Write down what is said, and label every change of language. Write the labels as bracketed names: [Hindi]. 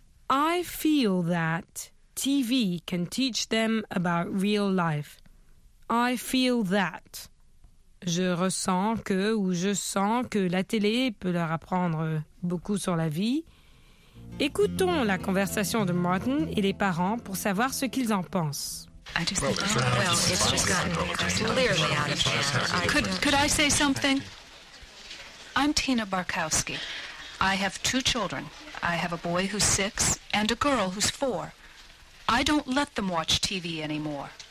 [English] I feel that TV can teach them about real life. I feel that. [French] Je ressens que ou je sens que la télé peut leur apprendre beaucoup sur la vie. Écoutons la conversation de Martin et les parents pour savoir ce qu'ils en pensent. [English] I just think, well, it's just gotten clearly out of hand. Could I say something? I'm Tina Barkowski. I have two children. I have a boy who's 6 and a girl who's 4. I don't let them watch TV anymore.